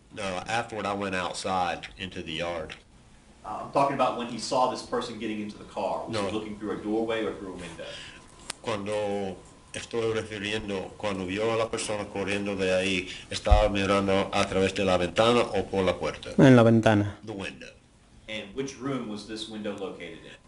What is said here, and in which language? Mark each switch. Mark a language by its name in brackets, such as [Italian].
[English] No, afterward I went outside into the yard. I'm talking about when he saw this person getting into the car. Was he looking through a doorway or through a window? [Spanish] Cuando estoy refiriendo, cuando vio a la persona corriendo de ahí, ¿estaba mirando a través de la ventana o por la puerta? En la ventana. [English] The window. And which room was this window located in?